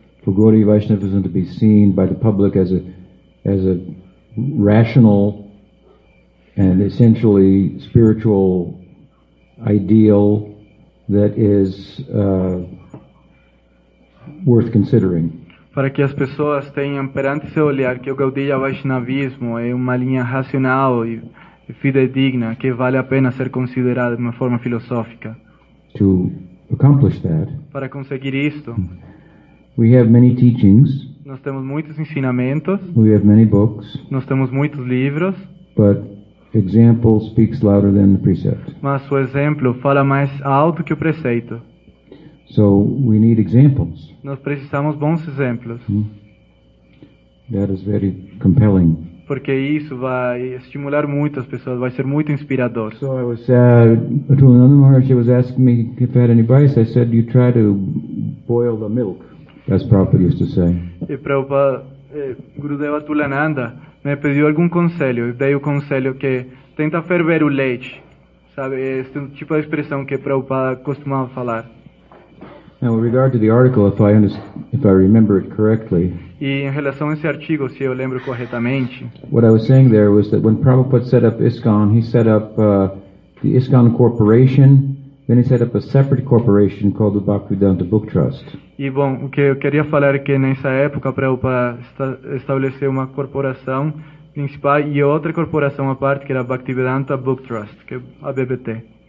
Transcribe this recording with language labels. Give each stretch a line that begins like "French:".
English: for Gaudiya Vaishnavism to be seen by the public as a rational and essentially spiritual ideal that is worth considering.
Portuguese: Para que as pessoas tenham perante seu olhar que o Gaudiya Vaishnavismo é uma linha racional e fidedigna que vale a pena ser considerada de uma forma filosófica.
English: To accomplish that,
Portuguese: para conseguir isto,
English: we have many teachings,
Portuguese: nós temos muitos ensinamentos,
English: we have many books,
Portuguese: nós temos muitos livros,
English: but example speaks louder than the precept.
Portuguese: Mas o exemplo fala mais alto que o preceito.
English: So we need examples.
Portuguese: Nós precisamos bons exemplos. Mm.
English: That is very compelling.
Portuguese: Porque isso vai estimular muito as pessoas, vai ser muito inspirador.
English: So I was Atulananda Maharshi was asking me if I had any advice. I said you try to boil the milk, as Prabhupada used to say.
Portuguese: E Prabhupada, Gurudeva Atulananda, me pediu algum conselho. Dei o conselho que tenta ferver o leite. Sabe, esse tipo de expressão que Prabhupada costumava falar.
English: Now, with regard to the article, if I remember it correctly,
Portuguese: e em relação a esse artigo, se eu lembro corretamente,
English: what I was saying there was that when Prabhupada set up ISKCON, he set up the ISKCON Corporation, then he set up a separate corporation called the Bhaktivedanta Book Trust.
Portuguese: E bom, o que eu queria falar é que nessa época Prabhupada estabeleceu uma corporação principal e outra corporação à parte, que era a Bhaktivedanta Book Trust, que é a BBT.